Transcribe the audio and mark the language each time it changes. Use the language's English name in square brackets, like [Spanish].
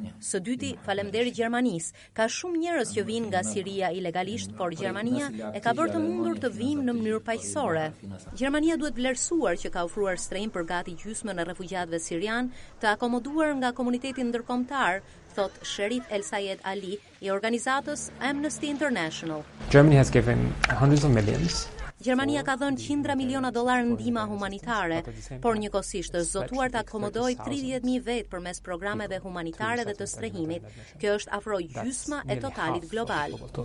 [Albanian] Së dyti, faleminderit Gjermanisë. Ka shumë njerëz që vijnë nga Siria ilegalisht, por Gjermania e ka bërë të mundur të vijnë në mënyrë paqësore. Gjermania duhet vlerësuar që ka ofruar strehim për gati gjysmën e refugjatëve sirian, të akomoduar nga komuniteti ndërkombëtar, thot Sherif El Sayed Ali i organizatës Amnesty International. [English] Germany has given hundreds of millions. [Albanian] Gjermania ka dhënë qindra miliona dollarë ndihma humanitare, por njëkohësisht është zotuar të akomodojë 30.000 vetë përmes programeve humanitare dhe të strehimit. Kjo është afro gjysma e totalit global.